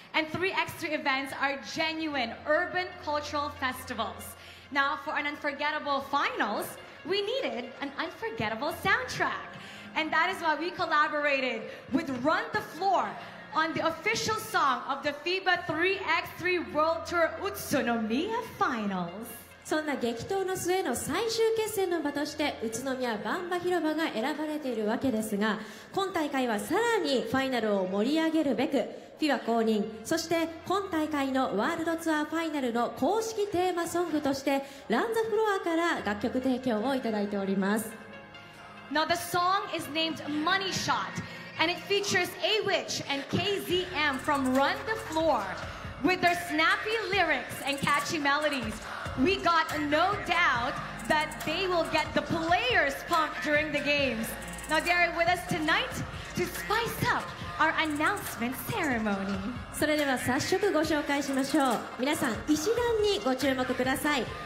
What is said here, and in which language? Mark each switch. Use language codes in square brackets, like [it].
[en] And 3x3 events are genuine urban cultural festivals. Now, for an unforgettable finals, we needed an unforgettable soundtrack. And that is why we collaborated with Run the Floor on the official song of the FIBA 3x3 World Tour Utsunomiya Finals. [ja] そんな激闘の末の最終決戦の場として宇都宮バンバ広場が選ばれているわけですが、今大会はさらにファイナルを盛り上げるべく FIBA 公認、そして今大会のワールドツアーファイナルの公式テーマソングとしてランザフロアから楽曲提供をいただいております。 [en] Now the song is named Money Shot and it features A-Witch and KZM from Run the Floor with their snappy lyrics and catchy melodies we got no doubt that they will get the players pumped during the games. Now they are with us tonight to spice up our announcement ceremony. [ja] それでは早速ご紹介しましょう。皆さん、石段にご注目ください。